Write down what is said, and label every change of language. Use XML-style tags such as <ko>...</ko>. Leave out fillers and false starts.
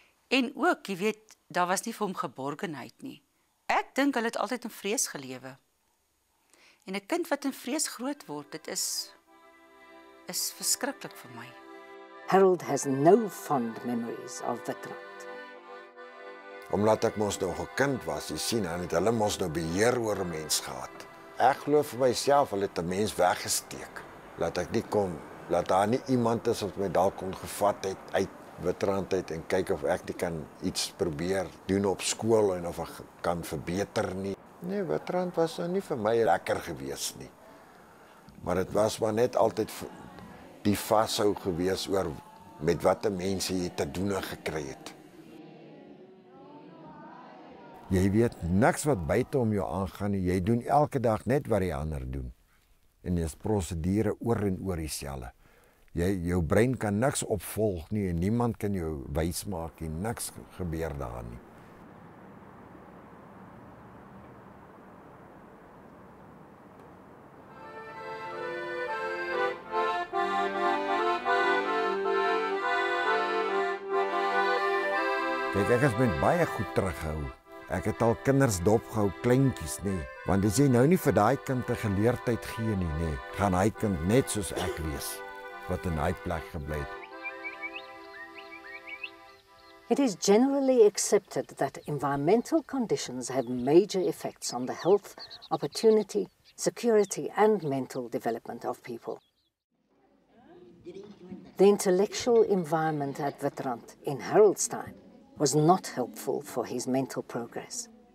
<af>En ook, jy weet, daar was nie vir hom geborgenheid nie. Ek dink hy het altyd in vrees gelewe. En 'n kind wat in vrees groot word, dit is verskriklik vir my.</af> <en>Harold has no fond memories of the trot.</en> <af>Omdat ek mos nog 'n kind was, jy sien, en het hulle mos nou beheer oor 'n mens gehad. Ek glo vir myself, hulle het 'n mens weggesteek. Laat ek nie kom. Laat daar nie iemand is wat my daar kon gevat het uit Witrand uit en kyk of ek nie kan iets probeer doen op skool en of ek kan verbeter nie. Nee, Witrand was nou nie vir my lekker gewees nie. Maar dit was maar net altyd die vashou gewees oor met wat die mense hier te doen gekry het. Jy weet niks wat buite om jou aangaan nie. Jy doen elke dag net wat die ander doen. En jy prosedure oor en oor dieselfde. Jou brein kan niks opvolg nie en niemand kan jou wys maak en niks gebeur daar nie. Kijk, ek is met baie goed teruggehou. Ek het al kinders dopgehou, kleintjies nie. Want as jy nou nie vir daai kind die geleerdheid gee nie, nie, gaan hy kind net soos ek wees, wat in hy plek gebly het.</af> <en>It is generally accepted that environmental conditions have major effects on the health, opportunity, security and mental development of people. The intellectual environment at Witrand in Haroldstein was not helpful for his mental progress.</en>